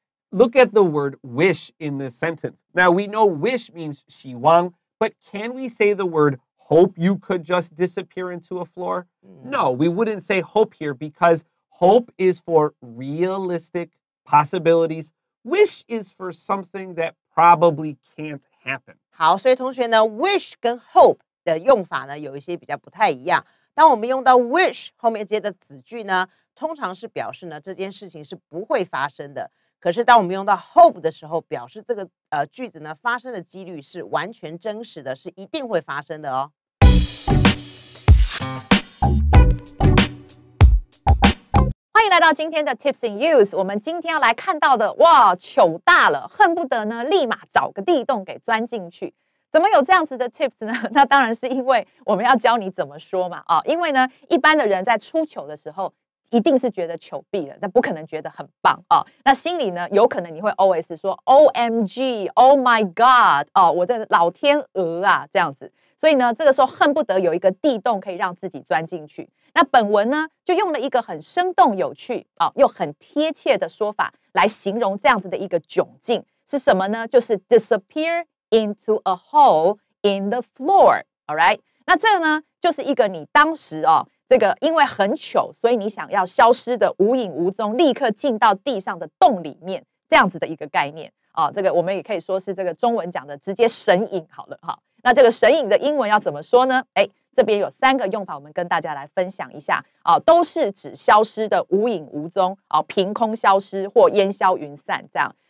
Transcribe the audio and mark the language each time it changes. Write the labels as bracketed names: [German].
[English] Look at the word wish in this sentence. Now, we know wish means 希望, but can we say the word hope you could just disappear into a floor? No, we wouldn't say hope here because hope is for realistic possibilities. Wish is for something that probably can't happen. [Chinese] 好,所以同学呢, wish 跟 hope 的用法呢,有一些比较不太一样。当我们用到 wish 后面接的子句呢,通常是表示呢,这件事情是不会发生的。可是当我们用到 hope 的时候表示这个句子呢发生的几率是完全真实的是一定会发生的哦。欢迎来到今天的 Tips and Use， 我们今天要来看到的哇糗大了，恨不得呢立马找个地洞给钻进去。怎么有这样子的 tips 呢？那当然是因为我们要教你怎么说嘛啊，因为呢一般的人在出糗的时候一定是觉得糗毙了，但不可能觉得很棒啊。那心里呢，有可能你会 always 说 OMG, [English] Oh my God, [Chinese] 哦，我的老天鹅啊，这样子。所以呢，这个时候恨不得有一个地洞可以让自己钻进去。那本文呢，就用了一个很生动有趣啊，又很贴切的说法来形容这样子的一个窘境是什么呢？就是 [English] disappear into a hole in the floor. All right, [Chinese] 那这个呢，就是一个你当时哦。这个因为很糗，所以你想要消失的无影无踪，立刻进到地上的洞里面，这样子的一个概念啊。这个我们也可以说是这个中文讲的直接神隐好了哈。那这个神隐的英文要怎么说呢？哎，这边有三个用法，我们跟大家来分享一下啊，都是指消失的无影无踪啊，凭空消失或烟消云散这样。